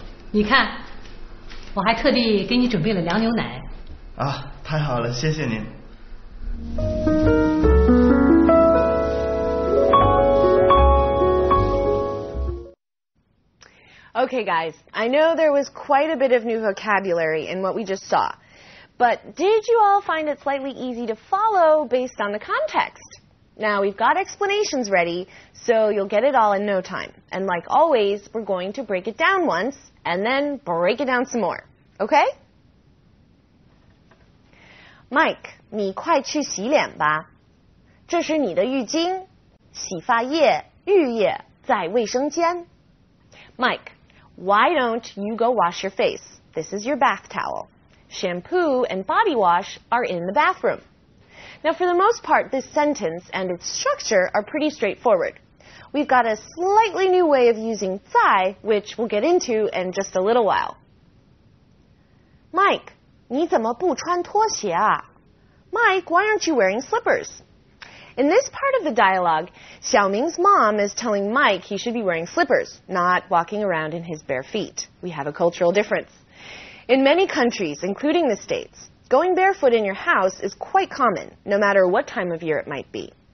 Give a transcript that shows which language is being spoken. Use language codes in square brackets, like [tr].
[zh] 你看,我还特地给你准备了凉牛奶。啊,太好了,谢谢您。 [en] Okay guys, I know there was quite a bit of new vocabulary in what we just saw, but did you all find it slightly easy to follow based on the context? Now, we've got explanations ready, so you'll get it all in no time. And like always, we're going to break it down once, and then break it down some more. Okay? [zh] Mike, 你快去洗脸吧.这是你的浴巾, 洗发液, 浴液, 在卫生间. [en] Mike, why don't you go wash your face? This is your bath towel. Shampoo and body wash are in the bathroom. Now, for the most part, this sentence and its structure are pretty straightforward. We've got a slightly new way of using 在, which we'll get into in just a little while. [zh] Mike, 你怎么不穿拖鞋啊? [en] Mike, why aren't you wearing slippers? In this part of the dialogue, Xiaoming's mom is telling Mike he should be wearing slippers, not walking around in his bare feet. We have a cultural difference. In many countries, including the States, going barefoot in your house is quite common, no matter what time of year it might be.